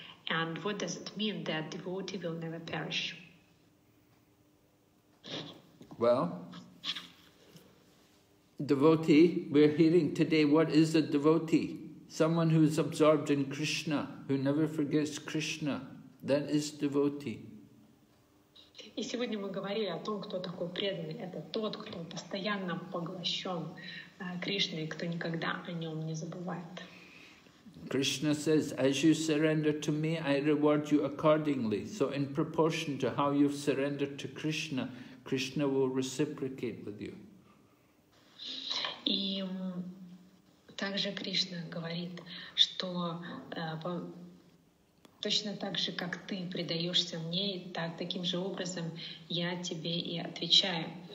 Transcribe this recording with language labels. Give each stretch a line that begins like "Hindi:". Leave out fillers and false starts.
English: And what does it mean that devotee will never perish? Well, devotee, we're hearing today, what is a devotee? Someone who is absorbed in Krishna, who never forgets Krishna, that is devotee.
Russian: И сегодня мы говорили о том, кто такой преданный. Это тот, кто постоянно поглощен Кришной, кто никогда о нем не забывает.
English: Krishna says, as you surrender to me, I reward you accordingly. So in proportion to how you've surrendered to Krishna, Krishna will reciprocate with you.
Russian: И также Кришна говорит, что точно так же, как ты предаешься мне, так, таким же образом я тебе и отвечаю.